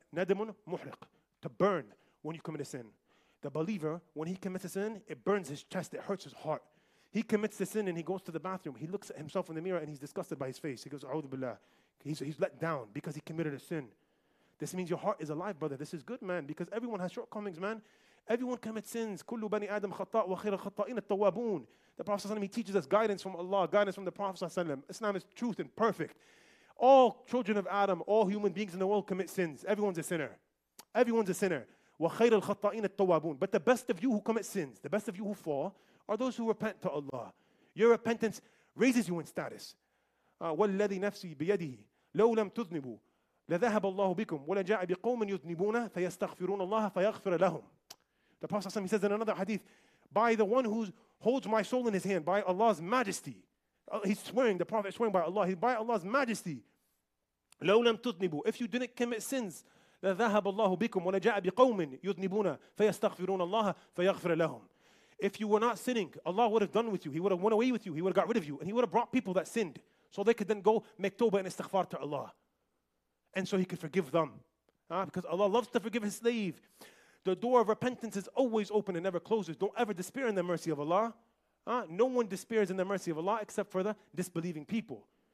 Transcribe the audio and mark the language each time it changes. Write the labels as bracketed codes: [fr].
[en] Nadimun muhriq, to burn when you commit a sin. The believer, when he commits a sin, it burns his chest, it hurts his heart. He commits the sin and he goes to the bathroom. He looks at himself in the mirror and he's disgusted by his face. He goes, a'udhu billah. He's let down because he committed a sin. This means your heart is alive, brother. This is good, man, because everyone has shortcomings, man. Everyone commits sins. [ar] كل بني آدم خطاء وخير الخطائين التوابون. [en] The Prophet ﷺ, he teaches us guidance from Allah, guidance from the Prophet ﷺ. Islam is truth and perfect. All children of Adam, all human beings in the world commit sins. Everyone's a sinner. [ar] وخير الخطائين التوابون. [en] But the best of you who commit sins, the best of you who fall, are those who repent to Allah. Your repentance raises you in status. [ar] والذي نفسي بيده لو لم تذنبوا لذهب الله بكم ولا جاء بقوم يذنبون فيستغفرون الله فيغفر لهم. [en] The Prophet ﷺ, he says in another hadith, by the one who holds my soul in his hand, by Allah's majesty. He's swearing, the Prophet is swearing by Allah. By Allah's majesty. [ar] لو لم تذنبوا, [en] if you didn't commit sins, [ar] لذهب الله بكم ولا جاء بقوم يذنبون فيستغفرون الله فيغفر لهم. [en] If you were not sinning, Allah would have done with you. He would have went away with you. He would have got rid of you. And he would have brought people that sinned so they could then go make tawbah and istighfar to Allah. And so he could forgive them. Because Allah loves to forgive his slave. The door of repentance is always open and never closes. Don't ever despair in the mercy of Allah. No one despairs in the mercy of Allah except for the disbelieving people.